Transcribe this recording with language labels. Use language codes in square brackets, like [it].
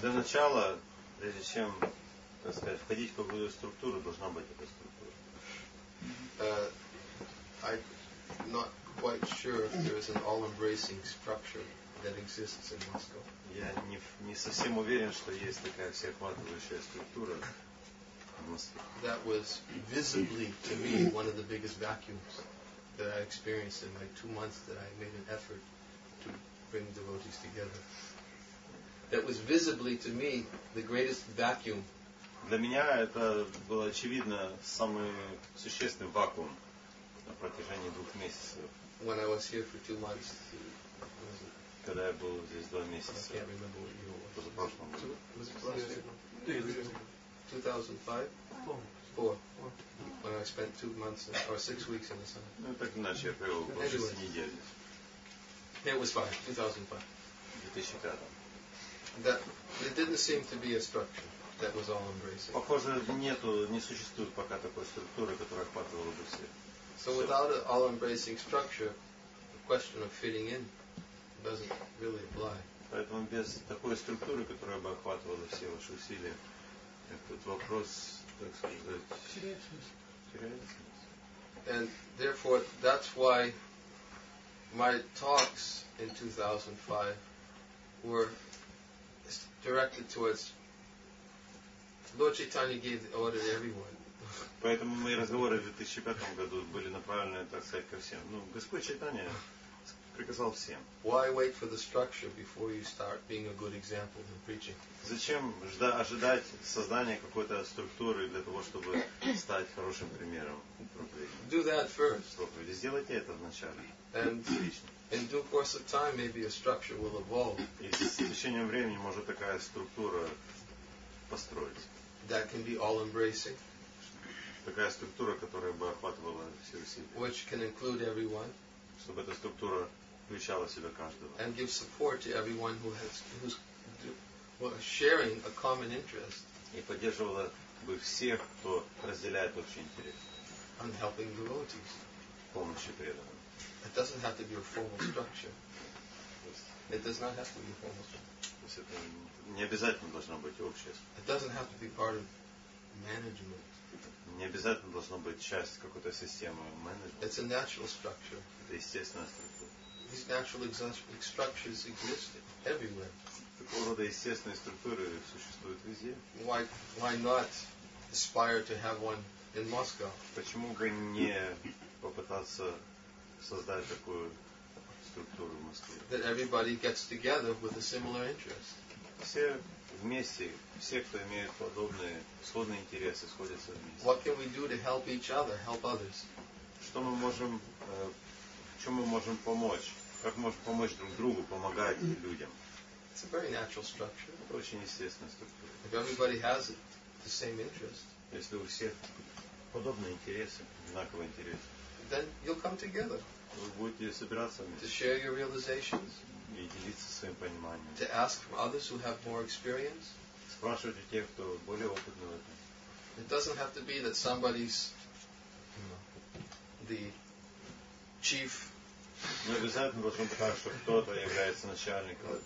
[ru] Для начала, прежде чем, так сказать, входить в какую-то структуру, должна быть эта структура. [en] I'm not quite sure if there is an all-embracing structure that exists in Moscow. [ru] Я не совсем уверен, что есть такая всеохватывающая структура. [en] That was visibly, to me, one of the biggest vacuums that I experienced in my 2 months that I made an effort to bring devotees together. That was visibly to me the greatest vacuum. [ru] Для меня это было очевидно самый существенный вакуум на протяжении двух месяцев. [en] When I was here for 2 months, [ru] когда я был здесь 2 месяца. [en] I can't remember what year it was. Was it last year? 2005? Four. When I spent 2 months or 6 weeks in the summer. [ru] Ну так иначе я провел больше недели. [en] It was fine. 2005. That it didn't seem to be a structure that was all embracing. [ru] Похоже, нету, не существует пока такой структуры, которая охватывала бы все. [en] So without an all embracing structure, the question of fitting in doesn't really apply. [ru] Поэтому без такой структуры, которая бы охватывала все ваши усилия, этот вопрос, так сказать, [en] and therefore, that's why my talks in 2005 were directed towards. Lord Chaitanya gave the order to everyone. [ru] Поэтому мои разговоры в 2005 году были направлены, так сказать, ко всем. Ну, Господь Чайтанья приказал всем. [en] Why wait for the structure before you start being a good example in preaching? [ru] Зачем ожидать создания какой-то структуры для того, чтобы стать хорошим примером в проповеди? [en] Do that first. [ru] Сделайте это вначале. [en] And In due course of time, maybe a structure will evolve. [ru] И с течением времени может такая структура построиться. [en] That can be all-embracing. [ru] Такая структура, которая бы охватывала все усилия. [en] Which can include everyone. [ru] Чтобы эта структура включала в себя каждого. [en] And give support to everyone who has who's sharing a common interest. [ru] И поддерживала бы всех, кто разделяет общий интерес. [en] And helping devotees. [ru] Помощи преданным. [en] It doesn't have to be a formal structure. It does not have to be a formal structure. [ru] То есть это не обязательно должно быть общее. [en] It doesn't have to be part of management. [ru] Не обязательно должно быть часть какой-то системы менеджмента. [en] It's a natural structure. [ru] Это естественная структура. [en] These natural structures exist everywhere. [ru] Такого рода естественные структуры существуют везде. [en] Why not aspire to have one in Moscow? [ru] Почему бы не попытаться создать такую структуру в Москве? [en] That everybody gets together with a similar interest. [ru] Все вместе, все, кто имеет подобные, сходные интересы, сходятся вместе. [en] What can we do to help each other, help others? [ru] Что мы можем, чем мы можем помочь? Как можем помочь друг другу, помогать людям? [en] It's a very natural structure. [ru] Это очень естественная структура. [en] If everybody has it, the same interest. [ru] Если у всех подобные интересы, одинаковые интересы. [en] Then you'll come together. [ru] Вы будете собираться вместе. [en] To share your realizations. [ru] И делиться своим пониманием. [en] To ask from others who have more experience. [ru] Спрашивать у тех, кто более опытный в этом. [en] It doesn't have to be that somebody's the chief. [ru] Не обязательно должно быть так, что кто-то является начальником.